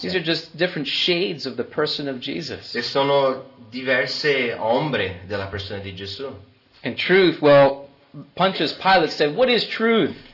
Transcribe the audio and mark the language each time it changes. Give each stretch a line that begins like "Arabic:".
English: These are just different shades of the person of Jesus.
Italian: E sono diverse ombre della persona di Gesù.
English: And truth, well, Pontius Pilate said, "What is truth?"